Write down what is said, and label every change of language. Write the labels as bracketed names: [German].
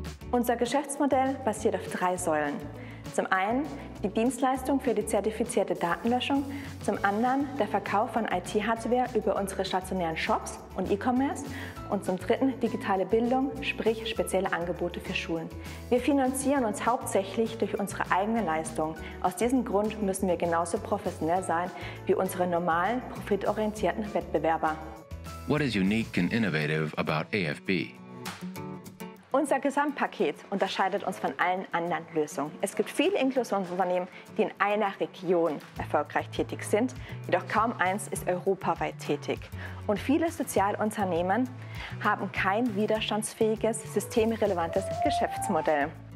[German] Unser Geschäftsmodell basiert auf drei Säulen. Zum einen die Dienstleistung für die zertifizierte Datenlöschung, zum anderen der Verkauf von IT-Hardware über unsere stationären Shops und E-Commerce und zum dritten digitale Bildung, sprich spezielle Angebote für Schulen. Wir finanzieren uns hauptsächlich durch unsere eigene Leistung. Aus diesem Grund müssen wir genauso professionell sein wie unsere normalen, profitorientierten Wettbewerber. [English] What is unique and innovative about AFB? [German] Unser Gesamtpaket unterscheidet uns von allen anderen Lösungen. Es gibt viele Inklusionsunternehmen, die in einer Region erfolgreich tätig sind, jedoch kaum eins ist europaweit tätig. Und viele Sozialunternehmen haben kein widerstandsfähiges, systemrelevantes Geschäftsmodell.